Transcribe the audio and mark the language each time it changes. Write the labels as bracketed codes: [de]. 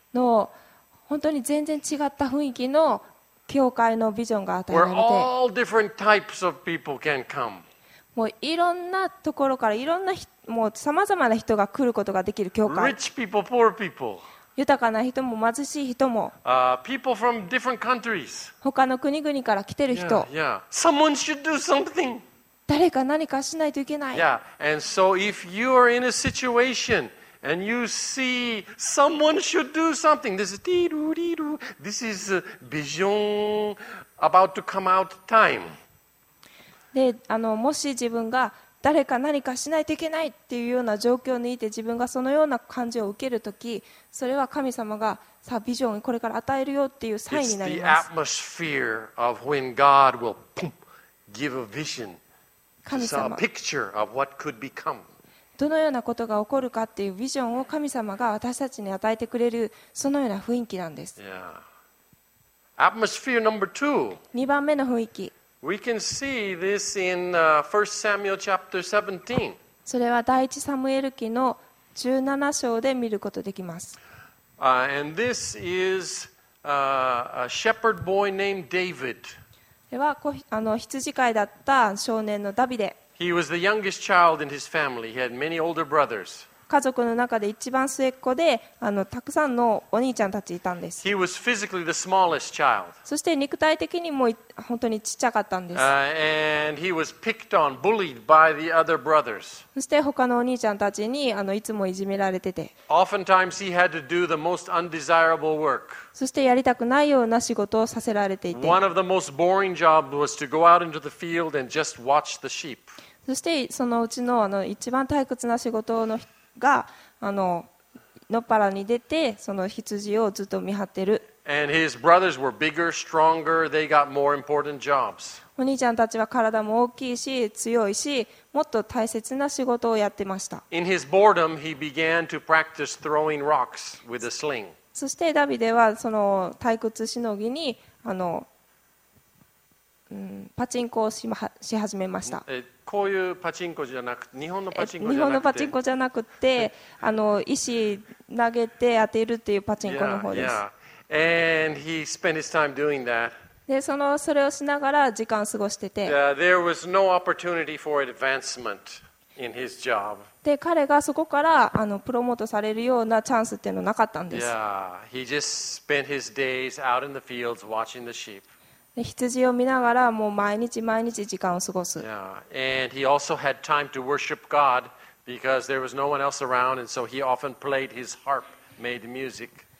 [ja] の本当に全然違った雰囲気の教会のビジョンが与えられて。 [en] Where all different types of people can come. [ja] もういろんなところからいろんなもうさまざまな人が来ることができる教会。 [en] Rich people, poor people. [ja] 豊かな人も貧しい人も。 [en] People from different countries. [ja] 他の国々から来てる人。 Yeah, yeah. [en] Someone should do something. [ja] 誰か何かしないといけない。 [en] Yeah, and so if you are in a situation and you see someone should do something, this is dee-doo-dee-doo. This is vision about to come out time. [ja] で、もし自分が誰か何かしないといけないっていうような状況にいて自分がそのような感じを受けるとき、それは神様がさビジョンをこれから与えるよっていうサインになります。 [en] It's the atmosphere of when God will boom, give a vision, a picture of what could become. [ja] どのようなことが起こるかっていうビジョンを神様が私たちに与えてくれるそのような雰囲気なんです。 [en] Yeah. Atmosphere number two. [ja] 2番目の雰囲気。 [en] We can see this in 1 Samuel chapter 17. [ja] それは第一サムエル記の17章で見ることできます。 [en] And this is a shepherd boy named David. [ja] では、羊飼いだった少年のダビデ。 [en] He was the youngest child in his family. He had many older brothers. [ja] 家族の中で一番末っ子で、たくさんのお兄ちゃんたちいたんです。 [en] He was physically the smallest child. [ja] そして肉体的にも本当にちっちゃかったんです。 [en] And he was picked on, bullied by the other brothers. [ja] そして他のお兄ちゃんたちにいつもいじめられてて。 [en] Oftentimes he had to do the most undesirable work. [ja] そしてやりたくないような仕事をさせられていて。 [en] One of the most boring jobs was to go out into the field and just watch the sheep. [ja] そしてそのうち の一番退屈な仕事のが野原に出てその羊をずっと見張ってる。 [en] And his brothers were bigger, stronger. They got more important jobs. [ja] お兄ちゃんたちは体も大きいし強いしもっと大切な仕事をやってました。 [en] In his boredom, he began to practice throwing rocks with a sling. [ja] そしてダビデはその退屈しのぎにパチンコを し始めました。こういうパチンコじゃなくて日本のパチンコ日本のパチンコじゃなくて石投げて当てるっていうパチンコの方です。 [en] Yeah, yeah. And he spent his time doing that. [ja] でそのそれをしながら時間を過ごしてて、 [en] there was no opportunity for advancement in his job. [ja] で彼がそこからプロモートされるようなチャンスっていうのはなかったんです。 [en] Yeah, he just spent his days out in the fields watching the sheep. [ja] で羊を見ながらもう毎日毎日時間を過ごす。 [en] Yeah, and he also had time to worship God because there was no one else around, and so he often played his harp, made music.